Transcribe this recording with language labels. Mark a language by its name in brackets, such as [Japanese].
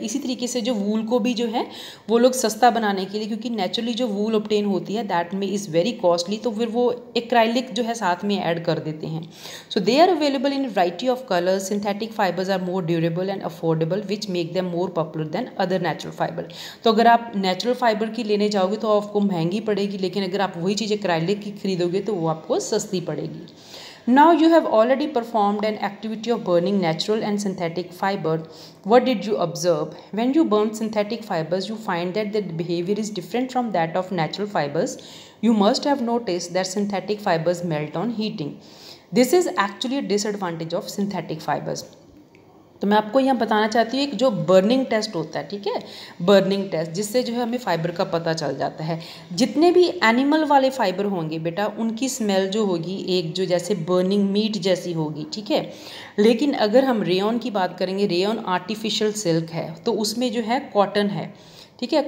[Hindi] इसी तरीके से जो वूल को भी जो है वो लोग सस्ता बनाने के लिए, क्योंकि नेचुरली जो वूल ऑब्टेन होती है दैट में इज़ वेरी कॉस्टली, तो फिर वो एक्राइलिक जो है साथ में ऐड कर देते हैं. [English] So they are available in variety of colours. Synthetic fibres are more durable and affordable which make them more popular than other natural fibre. [Hindi] तो अगर आप नेचुरल फाइबर की लेने जाओगे तो आपको महंगी पड़ेगी, लेकिन अगर आप वही चीज़ एक्राइलिक की खरीदोगे तो वो आपको सस्ती पड़ेगी. [English] Now you have already performed an activity of burning natural and synthetic fiber. What did you observe? When you burn synthetic fibers, you find that the behavior is different from that of natural fibers. You must have noticed that synthetic fibers melt on heating. This is actually a disadvantage of synthetic fibers. [Hindi] तो मैं आपको यहाँ बताना चाहती हूँ एक जो burning test होता है, ठीक है, बर्निंग टेस्ट, जिससे जो है हमें फाइबर का पता चल जाता है. जितने भी एनिमल वाले फाइबर होंगे बेटा, उनकी स्मेल जो होगी एक जो जैसे बर्निंग मीट जैसी होगी, ठीक है. लेकिन अगर हम रेयन की बात करेंगे, रेयन आर्टिफिशियल सिल्क है, तो उसमें जो है कॉटन है, ठीक है.